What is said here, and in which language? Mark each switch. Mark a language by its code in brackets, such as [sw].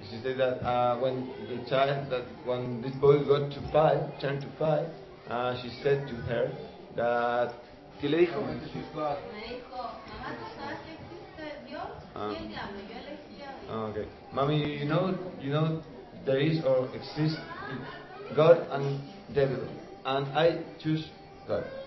[en] She said that when the child, that when this boy got to five, turned to five, she said to her that. [es] ¿Qué le dijo? Me dijo, mamá, ¿tú sabes que existe Dios? Yo elegí a Dios. [en] Okay, mommy, you know there is or exists God and devil, and I choose God.